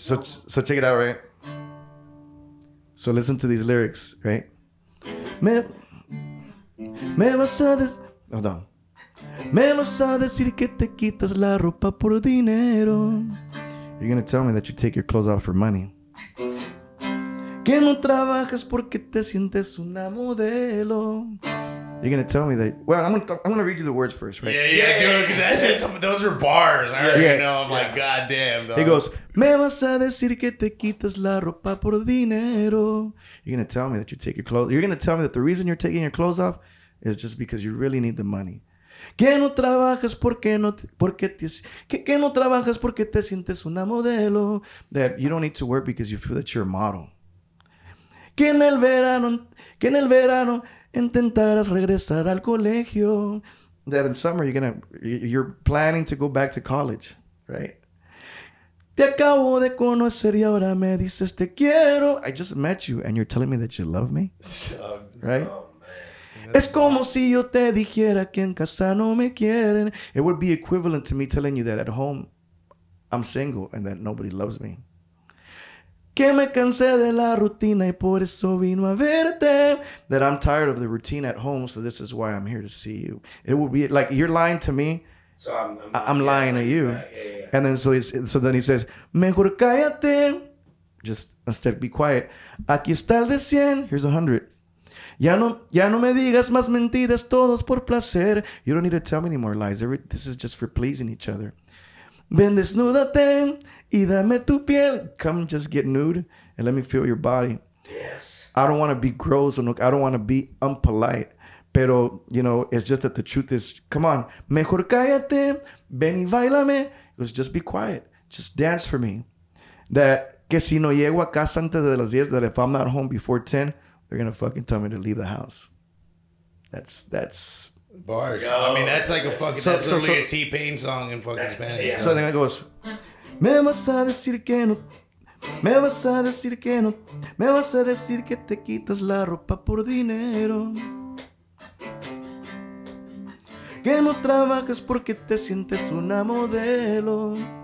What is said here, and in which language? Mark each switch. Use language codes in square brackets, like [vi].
[en] So check it out, right? So listen to these lyrics, right? Man, I saw this. Hold on. Man, I saw this. [es] Que te quitas la ropa por dinero. [en] You're gonna tell me that you take your clothes off for money. [es] Que no trabajas porque te sientes una modelo. [en] You're gonna tell me that. Well, I'm gonna read you the words first, right? Yeah, dude, because that shit, those are bars. I already know. I'm like, goddamn, dog. He goes, [es] me vas a decir que te quitas la ropa por dinero. [en] You're gonna tell me that you take your clothes. You're gonna tell me that the reason you're taking your clothes off is just because you really need the money. [es] Que no trabajas porque no porque te que no trabajas porque te sientes una modelo. [en] That you don't need to work because you feel that you're a model. [es] Que en el verano intentarás regresar al colegio. [en] That in summer you're planning to go back to college, right? [es] Te acabo de conocer y ahora me dices te quiero. [en] I just met you and you're telling me that you love me, right? [es] Es como si yo te dijera que en casa no me quieren. [en] It would be equivalent to me telling you that at home I'm single and that nobody loves me. [es] Que me cansé de la rutina y por eso vino a verte. [en] That I'm tired of the routine at home, so this is why I'm here to see you. It would be like you're lying to me. So I'm lying to you. Yeah. And then so then he says, [es] mejor cállate. [en] Just instead be quiet. [es] Aquí está el de 100. [en] Here's 100. [es] Ya no me digas más mentiras, todos por placer. [en] You don't need to tell me any more lies. This is just for pleasing each other. [es] Ven desnúdate y dame tu piel. [en] Come just get nude and let me feel your body. Yes. I don't want to be gross or look. I don't want to be impolite. Pero, you know, it's just that the truth is, come on. [es] Mejor cállate, ven y bailame. [en] It was just be quiet. Just dance for me. [es] That, que si no llego a casa antes de las 10, [en] that if I'm not home before 10... they're gonna fucking tell me to leave the house. That's bars. Yo, I mean, that's like a fucking that's literally a T-Pain song in fucking Spanish. Yeah. So then it goes, [es] me vas a decir que no, me vas a decir que no, me vas a decir que te quitas la ropa por dinero, que no trabajas porque te sientes una modelo.